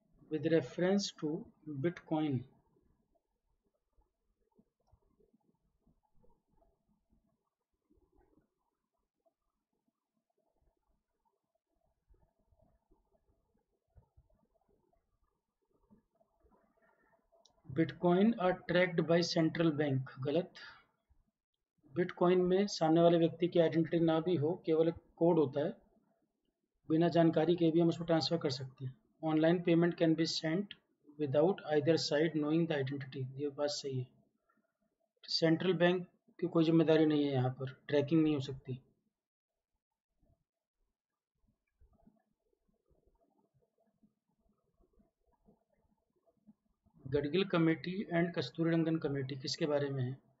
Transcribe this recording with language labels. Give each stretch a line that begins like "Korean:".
English: With reference to Bitcoin, Bitcoin are tracked by central bank.
Hindi: गलत. Bitcoin में सामने वाले व्यक्ति की identity ना भी हो, केवल एक code होता है. बिना जानकारी के भी हम उसको transfer कर सकते हैं.
English: Online payment can be sent without either side knowing the identity.
Hindi: ये बात सही है. Central bank की कोई जिम्मेदारी नहीं है यहाँ पर. Tracking नहीं हो सकती. Gadgil committee and Kasturirangan committee किसके बारे में है?